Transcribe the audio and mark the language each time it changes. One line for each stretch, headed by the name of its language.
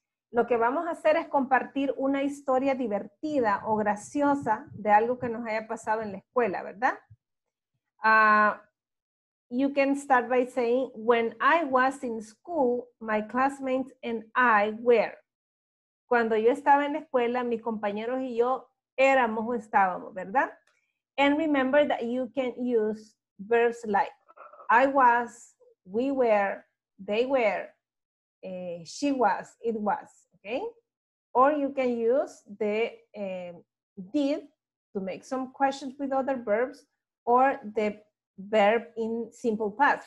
Spanish: Lo que vamos a hacer es compartir una historia divertida o graciosa de algo que nos haya pasado en la escuela, ¿verdad?
English: You can start by saying, when I was in school, my classmates and I were.
Spanish: Cuando yo estaba en la escuela, mis compañeros y yo éramos o estábamos, ¿verdad?
English: And remember that you can use verbs like, I was, we were, they were, she was, it was, okay? Or you can use the did to make some questions with other verbs or the verb in simple past.